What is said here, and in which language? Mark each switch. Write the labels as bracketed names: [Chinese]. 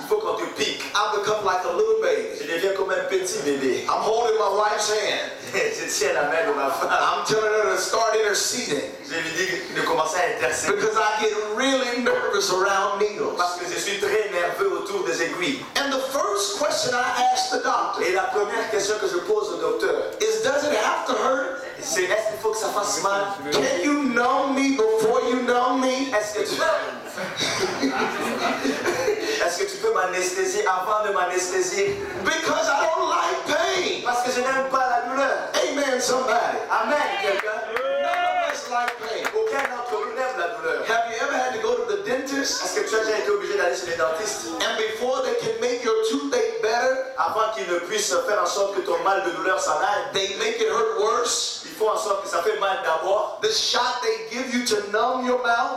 [French] Il faut qu'on te pique. [English] I've become like a little baby. [French] Je deviens comme un petit bébé. [English] I'm holding my wife's hand. [French] Je tiens la main de ma femme. [English] I'm telling her to start interceding. [French] Je lui dis de commencer à intercéder. [English] Because I get really nervous around needles. [French] Parce que je suis très nerveux autour des aiguilles. [English] And the first question I ask the doctor. [French] Et la première question que je pose au docteur. [English] Is does it have to hurt? [French] C'est est-ce qu'il faut que ça fasse mal? [English] Can you numb me before you numb me? [French] Est-ce que tu est-ce que tu peux m'anesthésier avant de m'anesthésier? [English] Because I don't like pain. [French] Parce que je n'aime pas la douleur. [English] Amen, somebody. Amen. None of us like pain. [French] Aucun d'entre nous n'aime la douleur. [English] Have you ever had to go to the dentist? [French] Est-ce que tu as déjà été obligé d'aller chez les dentistes? [English] And before they can make your toothache better, [French] avant qu'ils ne puissent faire en sorte que ton mal de douleur s'arrête, [English] they make it hurt worse. [French] Faut en sorte que ça fait mal d'abord. [English] The shot they give you to numb your mouth,